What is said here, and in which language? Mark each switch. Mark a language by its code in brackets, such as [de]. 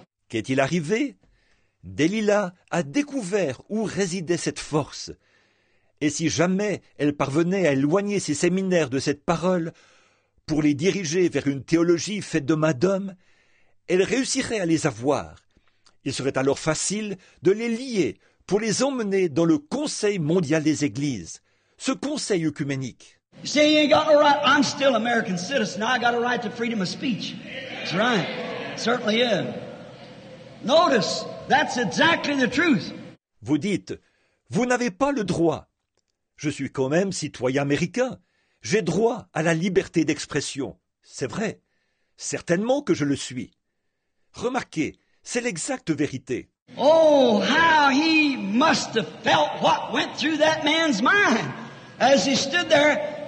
[fr] Qu'est-il arrivé? Delila a découvert où résidait cette force. Et si jamais elle parvenait à éloigner ses séminaires de cette parole pour les diriger vers une théologie faite de main d'homme, elle réussirait à les avoir. Il serait alors facile de les lier pour les emmener dans le Conseil mondial des Églises, ce conseil œcuménique. [en] You say you ain't got no right. I'm still American citizen. I got a right to freedom of speech. That's right. Certainly is. Notice, that's exactly the truth. [fr] Vous dites, vous n'avez pas le droit. Je suis quand même citoyen américain. J'ai droit à la liberté d'expression. C'est vrai. Certainement que je le suis. Remarquez, c'est l'exacte vérité. [en] Oh, how he must have felt what went through that man's mind as he stood there.